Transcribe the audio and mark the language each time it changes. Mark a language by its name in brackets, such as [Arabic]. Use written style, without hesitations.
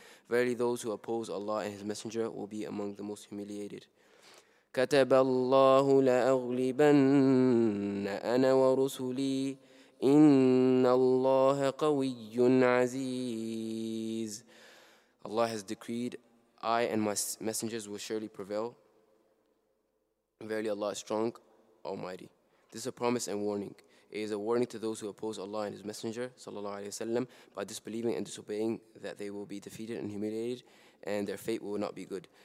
[English] Verily those who oppose Allah and His Messenger will be among the most humiliated. [Arabic] كتب الله لأغلبن أنا ورسلي إن الله قوي عزيز. [English] Allah has decreed, I and my messengers will surely prevail. Verily Allah is strong, Almighty. This is a promise and warning. It is a warning to those who oppose Allah and His Messenger, sallallahu alayhi wa sallam, by disbelieving and disobeying that they will be defeated and humiliated and their fate will not be good.